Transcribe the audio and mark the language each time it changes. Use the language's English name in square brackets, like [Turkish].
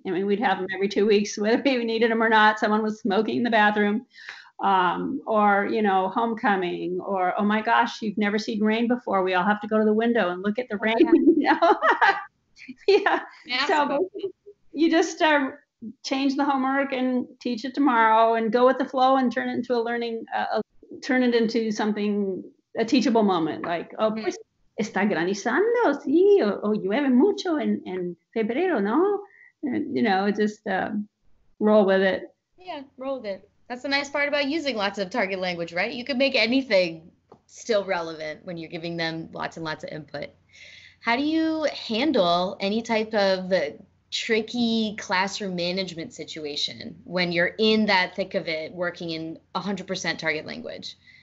[English] I mean, we'd have them every 2 weeks, whether we needed them or not. Someone was smoking in the bathroom, or, you know, homecoming, or, oh my gosh, you've never seen rain before. We all have to go to the window and look at the rain. Yeah. You know? So you just change the homework and teach it tomorrow and go with the flow and turn it into a learning, turn it into something, a teachable moment. Like, oh, please. Mm-hmm. [Spanish] Está granizando, sí, o llueve mucho en febrero, ¿no? [English] And, you know, just roll with it. Yeah, roll with it. That's the nice part about using lots of target language, right? You can make anything still relevant when you're giving them lots and lots of input. How do you handle any type of tricky classroom management situation when you're in that thick of it, working in 100% target language?